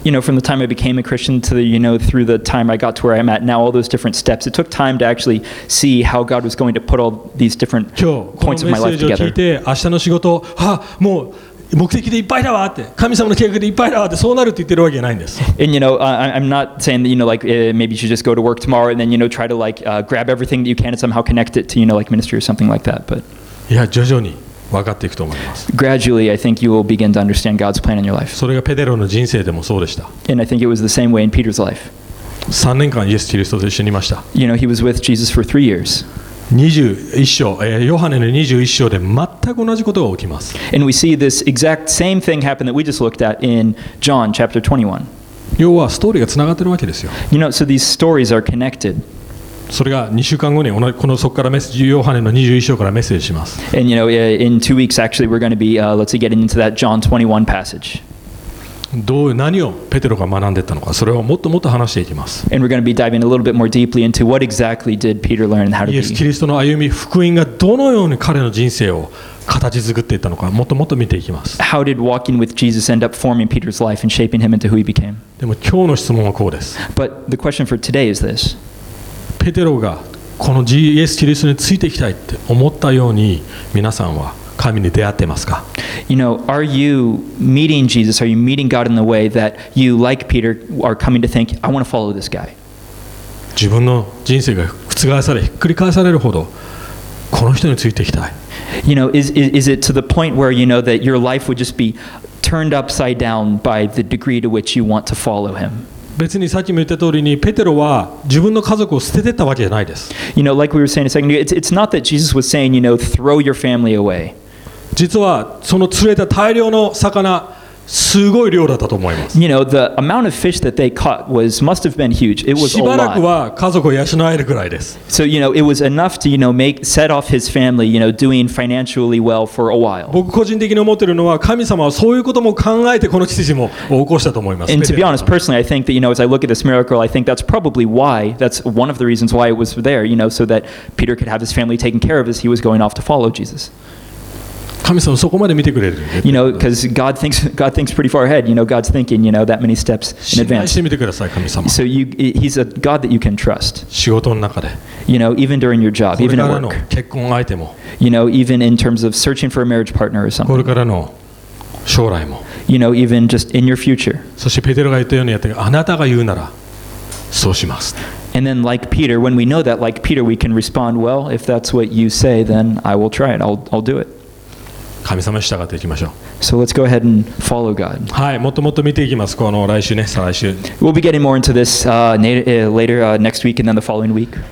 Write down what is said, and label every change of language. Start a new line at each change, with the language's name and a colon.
English: You know, from the time I became a Christian to the, you know, through the time I got to where I'm at now, all those different steps, it took time to actually see how God was going to put all these different points of my life together.
Japanese: 今日このメッセージを聞いて、明日の仕事、もう目的でいっぱいだわって、神様の計画でいっぱいだわって、そうなるって言ってるわけないんです。
English: And you know, I'm not saying that, you know, like, maybe you should just go to work tomorrow and then, you know, try to, like, grab everything that you can and somehow connect it to, you know, like, ministry or something like that, but...
Japanese: いや、徐々に分かっていくと思います。
English: Gradually, I think you will begin to understand God's plan in your life.
Japanese: それがペテロの人生でもそうでした。
English: And I think it was the same way in Peter's life.
Japanese: 3年間イエス・キリストと一緒にいました。
English: You know, he was with Jesus for 3 years.
Japanese: ヨハネの21章で全く同じことが起きます。
English: And we see this exact same thing happen that we just looked at in John chapter 21.
Japanese: 要はストーリーがつながってるわけですよ。
English: You know, so these stories are connected.
Japanese: それが2週間後に同じこのそこからメッセージヨハネの21章からメッセージします。
English: And you know, in 2 weeks actually we're going to be, let's see, getting into that John 21 passage.
Japanese: どう何をペテロが学んでいったのか、それをもっともっと話していきます。
English: And we're going to be diving a little bit more deeply into what exactly did Peter learn and how to be.
Japanese: イエス・キリストの歩み、福音がどのように彼の人生を形作っていったのか、もっともっと見ていきます。
English: How did walking with Jesus end up forming Peter's life and shaping him into who he became?
Japanese: でも今日の質問はこうです。
English: But the question for today is this.
Japanese: ペテロがこのイエス・キリストについていきたいって思ったように、皆さんは神に出会ってますか？
English: You know, are you meeting Jesus? Are you meeting God in the way that you, like Peter, are coming to think, I want to follow this guy?
Japanese: 自分の人生が覆され、ひっくり返されるほど、この人についていきたい。
English: You know, is it to the point where you know that your life would just be turned upside down by the degree to which you want to follow him?
Japanese: 別にさっきも言った通りにペテロは自分の家族を捨ててったわけじゃないです。
English: You know, like we were saying a second ago, it's not that Jesus was saying, you know, throw your family away.
Japanese: 実はその釣れた大量の魚、すごい量だったと思います。
English: You know, the amount of fish that they caught was, must have been huge. It was a lot.
Japanese: しばらくは家族を養えるくらいです。
English: So, you know, it was enough to, you know, make, set off his family, you know, doing financially well for a while.
Japanese: 僕個人的に思ってるのは、神様はそういうことも考えてこの奇跡も起こしたと思います。
English: And to be honest, personally, I think that, you know, as I look at this miracle, I think that's probably why, that's one of the reasons why it was there, you know, so that Peter could have his family taken care of as he was going off to follow Jesus.
Japanese: 神様そこまで見てくれる。
English: You know, because God thinks pretty far ahead. You know, God's thinking, you know, that many steps in advance.
Japanese: 信頼してみてください、神様。
English: So you, He's a God that you can trust.
Japanese: 仕事の中で。
English: You know, even during your job, even at work.
Japanese: これからの結婚相手も。
English: You know, even in terms of searching for a marriage partner or something.
Japanese: これからの将来も。
English: You know, even just in your future.
Japanese: そしてペテロが言ったようにやって、あなたが言うならそうします。
English: And then like Peter, when we know that, like Peter, we can respond, well, if that's what you say, then I will try it. I'll do it.
Japanese: 神様に従っていきましょう。
English: So let's go ahead and follow God.
Japanese: はい、もっともっと見ていきます。この来週ね、再来週。
English: We'll be getting more into this later, next week and then the following week.